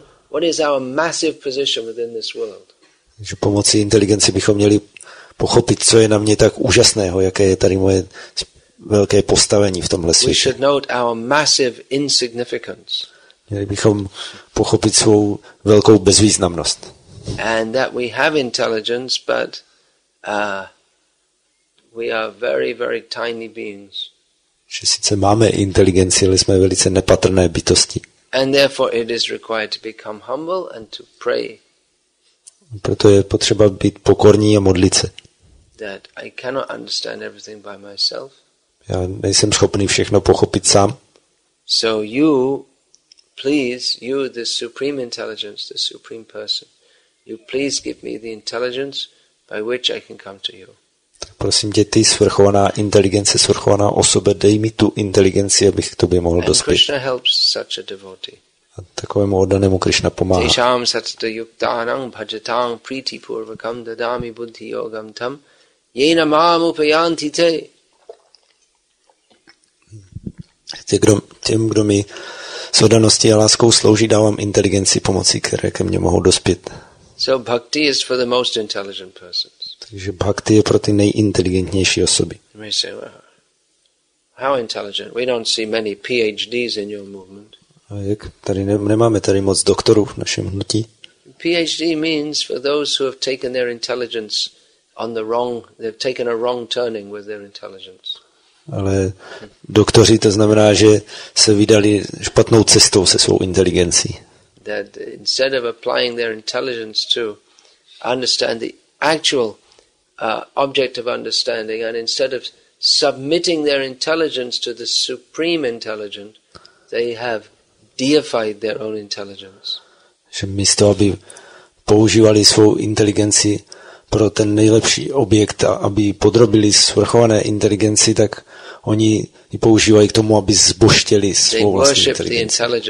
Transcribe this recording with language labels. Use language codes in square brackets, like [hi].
[en] What is our massive position within this world? [cs] Takže pomocí inteligence bychom měli pochopit, co je na mě tak úžasného, jaké je tady moje velké postavení v tomhle světě. [en] We should note our massive insignificance. [cs] Měli bychom pochopit svou velkou bezvýznamnost. [en] And that we have intelligence, but we are very, very tiny beings. [cs] Že sice máme inteligenci, ale jsme velice nepatrné bytosti. [en] And therefore it is required to become humble and to pray. [cs] Proto je potřeba být pokorní a modlit se. [en] That I cannot understand everything by myself. [cs] Já nejsem schopný všechno pochopit sám. [en] So you, please, you, the supreme intelligence, the supreme person, you please give me the intelligence by which I can come to you. [cs] Tak prosím tě, ty svrchovaná inteligence, svrchovaná osobe, dej mi tu inteligenci, abych k tobě mohl dospět. [en] And Krishna helps such a devotee. [cs] A takovému oddanému Krishna pomáhá. [sa] Tisham satta yuktanam bhajatam priti purvakam dadami buddhi yogam tam yena mam upayanti te. [cs] Těm, kdo mi s oddaností a láskou slouží, dávám inteligenci pomocí, které ke mně mohou dospět. [en] So bhakti is for the most intelligent persons. [cs] Takže bhakti je pro ty nejinteligentnější osoby. [en] Say, well, how intelligent? We don't see many PhDs in your movement. [cs] A jak? Tady nemáme tady moc doktorů v našem hnutí. [en] PhD means for those who have taken their intelligence on the wrong, they've taken a wrong turning with their intelligence. [cs] Ale doktoři, to znamená, že se vydali špatnou cestou se svou inteligencí. [en] That instead of applying their intelligence to understand the actual object of understanding, and instead of submitting their intelligence to the supreme intelligent, they have deified their own intelligence. [cs] Že místo, aby používali svou inteligenci pro ten nejlepší objekt, aby podrobili svrchované inteligenci, tak oni ji používají k tomu, aby zboštěli svou vlastní inteligenci.